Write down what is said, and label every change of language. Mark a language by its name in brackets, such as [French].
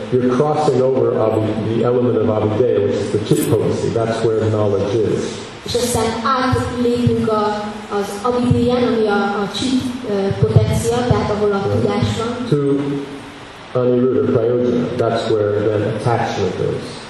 [English] You're crossing over the element of avideya, which is the chitpotency. That's where knowledge is. [Hungarian] És aztán átlépünk az avideyán, ami a chitpotencia, tehát ahol a tudás van. [English] To Aniruddha Prayojana, that's where the attachment is.